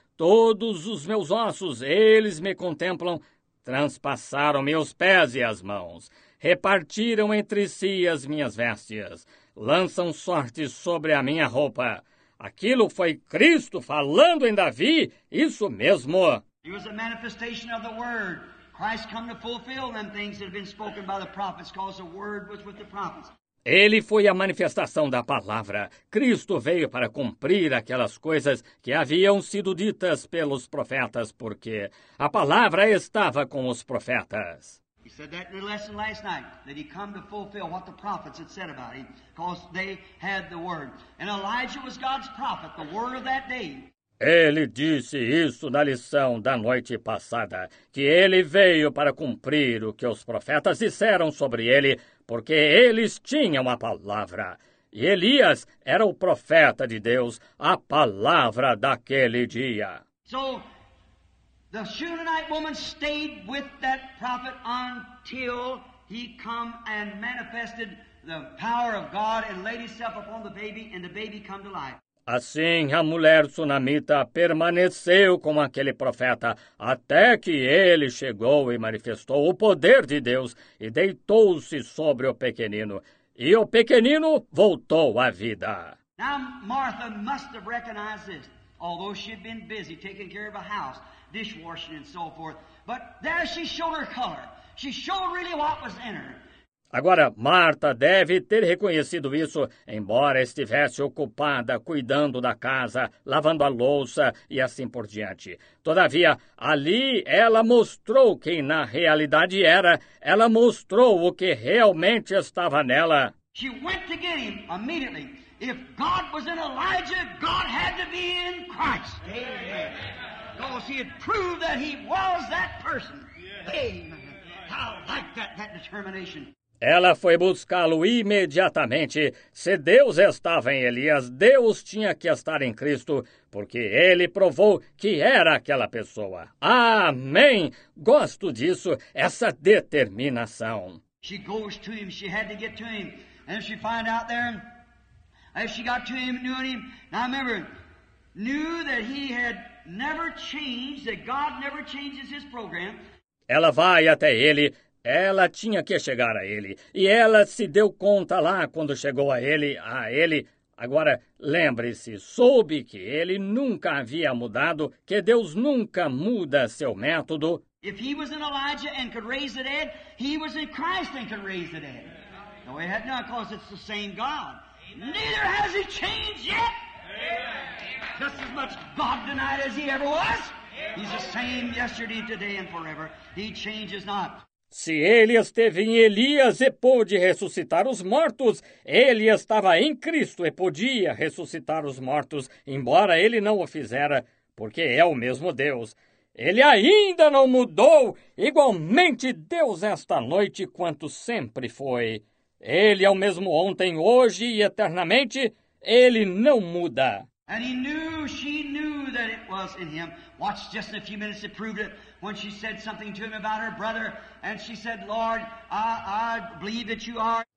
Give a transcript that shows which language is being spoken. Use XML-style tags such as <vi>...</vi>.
<pt>Todos os meus ossos, eles me contemplam. Transpassaram meus pés e as mãos. Repartiram entre si as minhas vestes. Lançam sorte sobre a minha roupa." Aquilo foi Cristo falando em Davi, isso mesmo.</pt> <en>He was a manifestation of the word. Christ came to fulfill them things that had been spoken by the prophets, because the word was with the prophets.</en> <pt>Ele foi a manifestação da palavra. Cristo veio para cumprir aquelas coisas que haviam sido ditas pelos profetas, porque a palavra estava com os profetas.</pt> <en>He said that in the lesson last night, that he came to fulfill what the prophets had said about him, because they had the word. And Elijah was God's prophet, the word of that day.</en> <pt>Ele disse isso na lição da noite passada, que ele veio para cumprir o que os profetas disseram sobre ele, porque eles tinham a palavra. E Elias era o profeta de Deus, a palavra daquele dia.</pt> <en>So, the Shunammite woman stayed with that prophet until he come and manifested the power of God and laid himself upon the baby, and the baby come to life.</en> <pt>Assim, a mulher sunamita permaneceu com aquele profeta até que ele chegou e manifestou o poder de Deus e deitou-se sobre o pequenino. E o pequenino voltou à vida.</pt> <en>Now, Martha must have recognized this, although she had been busy taking care of a house, dishwashing and so forth. But there she showed her color. She showed really what was in her.</en> <pt>Agora, Marta deve ter reconhecido isso, embora estivesse ocupada cuidando da casa, lavando a louça e assim por diante. Todavia, ali ela mostrou quem na realidade era. Ela mostrou o que realmente estava nela.</pt> <en>She went to get him immediately. If God was in Elijah, God had to be in Christ. Amen. Because he had proved that he was that person. Amen. I like that determination.</en> <pt>Ela foi buscá-lo imediatamente. Se Deus estava em Elias, Deus tinha que estar em Cristo, porque ele provou que era aquela pessoa. Amém! Gosto disso, essa determinação.</pt> <en>She goes to him, she had to get to him. And she find out there, as she got to him, knew him. Now remember, knew that he had never changed, that God never changes his program.</en> <pt>Ela vai até ele. Ela tinha que chegar a ele, e ela se deu conta lá quando chegou a ele. Agora, lembre-se, soube que ele nunca havia mudado, que Deus nunca muda seu método.</pt> <en>If he was in Elijah and could raise the dead, he was in Christ and could raise the dead. No, he had not, because it's the same God. Neither has he changed yet. Just as much God denied as he ever was. He's the same yesterday, today and forever. He changes not.</en> <pt>Se ele esteve em Elias e pôde ressuscitar os mortos, ele estava em Cristo e podia ressuscitar os mortos, embora ele não o fizera, porque é o mesmo Deus. Ele ainda não mudou, igualmente Deus esta noite, quanto sempre foi. Ele é o mesmo ontem, hoje e eternamente. Ele não muda.</pt> <en>And he knew, she knew that it was in him. Watched just in a few minutes to prove it when she said something to him about her brother. And she said, "Lord, I believe that you are."</en>